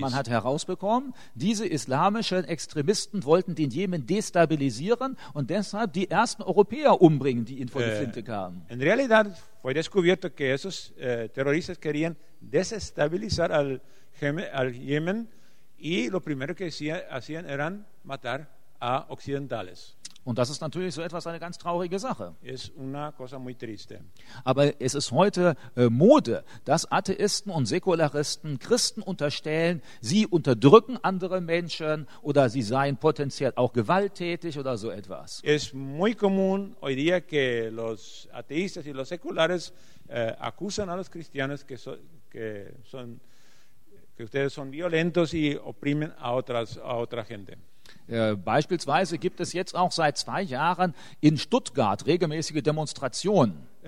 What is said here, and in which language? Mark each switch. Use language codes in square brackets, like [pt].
[de] Man hat herausbekommen, diese islamischen Extremisten wollten den Jemen destabilisieren und deshalb die ersten Europäer umbringen, die ihnen vor die Flinte kamen. [es] En realidad fue descubierto que esos terroristas querían desestabilizar al Yemen y lo primero que hacían era matar a occidentales. [de] Und das ist natürlich so etwas eine ganz traurige Sache. [es] Es una cosa muy triste. [de] Aber es ist heute Mode, dass Atheisten und Säkularisten Christen unterstellen, sie unterdrücken andere Menschen oder sie seien potenziell auch gewalttätig oder so etwas. [es] Es muy común hoy día que los ateístas y los seculares acusan a los cristianos que ustedes son violentos y oprimen a otra gente. [de] Beispielsweise gibt es jetzt auch seit 2 Jahren in Stuttgart regelmäßige Demonstrationen.